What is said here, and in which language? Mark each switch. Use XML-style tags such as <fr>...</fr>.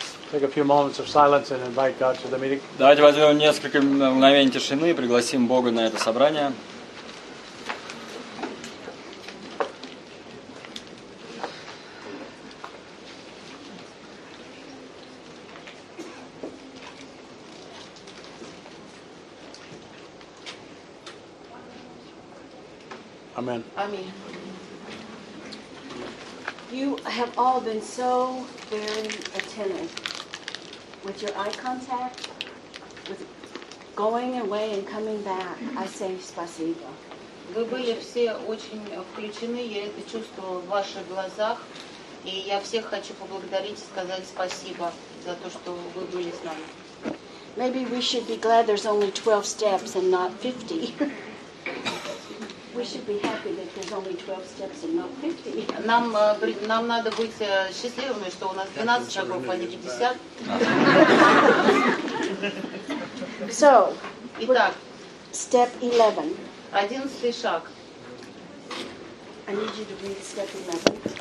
<en>Take a few moments of silence and invite God to the meeting.</en> <ru>Давайте возьмем несколько мгновений тишины и пригласим Бога на это собрание.</ru> <en>Amen. Amen. You have all been so very attentive with your eye contact, with going away and coming back. I say спасибо.</en> <ru>Вы были все очень включены. Я это чувствовала в ваших глазах, и я всех хочу поблагодарить и сказать спасибо за то, что вы были с нами.</ru> <en>Maybe we should be glad there's only 12 steps and not 50. We should be happy that there's only 12 steps and not 50.</en> <ru>Нам надо быть счастливыми, что у нас 12 шагов, а не 50.</ru> <en>So,</en> <ru>итак,</ru> <en>step 11.</en> <ru>11 шаг.</ru> <en>I need you to read step 11.</en>